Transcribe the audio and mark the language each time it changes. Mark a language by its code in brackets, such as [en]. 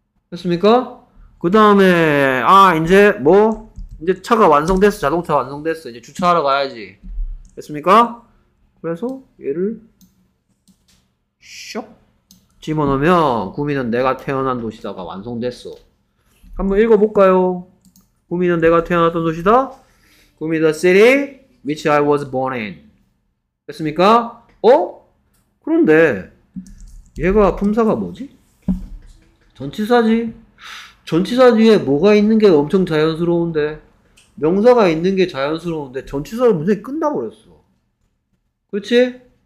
[ko] 됐습니까? 그 다음에, 아, 이제 뭐? 이제 차가 완성됐어. 자동차 완성됐어. 이제 주차하러 가야지. 됐습니까? 그래서 얘를 쇽 집어넣으면 구미는 내가 태어난 도시다가 완성됐어. 한번 읽어볼까요? 구미는 내가 태어났던 도시다. [en] 구미 the city which I was born in. [ko] 됐습니까? 어? 그런데 얘가 품사가 뭐지? 전치사지. 전치사 뒤에 뭐가 있는 게 엄청 자연스러운데, 명사가 있는 게 자연스러운데 전치사를 문제 끝나버렸어. 그치?